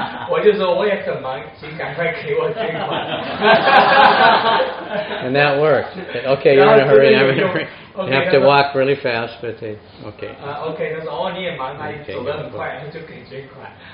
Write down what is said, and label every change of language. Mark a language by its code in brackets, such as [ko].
[zh] 我就说我也很忙，请赶快给我捐款。 [en] And that worked. Okay, you're in a hurry, I'm in a hurry. You have to walk really fast, but they, okay. [zh] Okay, 他说哦你也忙，他走得很快，他就可以捐款。